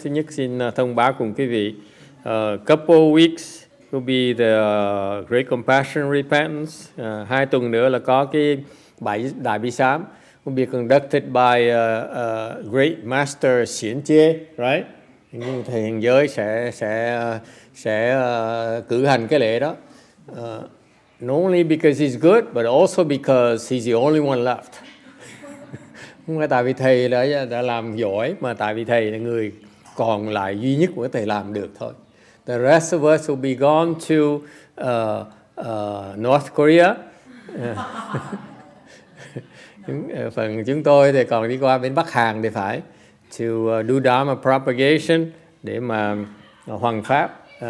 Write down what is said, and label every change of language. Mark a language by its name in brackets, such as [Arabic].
[Vietnamese] Thứ nhất xin thông báo cùng quý vị. [English] Couple weeks will be the Great Compassion Repentance. [Vietnamese] Hai tuần nữa là có cái bài Đại Bi Sám. [English] Will be conducted by a great master Xuyến Chế, right? [Vietnamese] Thầy Hiền Giới sẽ cử hành cái lễ đó. [English] Not only because he's good, but also because he's the only one left. [Vietnamese] Không phải tại vì thầy đã làm giỏi, mà tại vì thầy là người còn lại duy nhất của thầy làm được thôi. [English] The rest of us will be gone to North Korea. [Vietnamese] Phần chúng tôi thì còn đi qua bên Bắc Hàn thì phải [English] to do Dharma propagation [Vietnamese] để mà hoằng pháp.